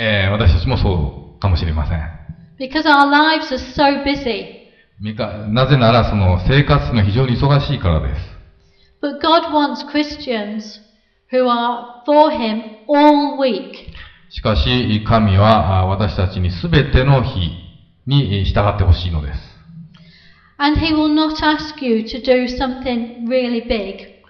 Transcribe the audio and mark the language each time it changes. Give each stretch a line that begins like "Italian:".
Japanese: 私たちもそうかもしれません。
English: Because our lives are so busy.
Japanese: なぜならその生活が非常に忙しいからです。
English: But God wants Christians who are for Him all week.
Japanese: しかし、神は私たちにすべての日に従ってほしいのです。
English: And he will not ask you to do something really big.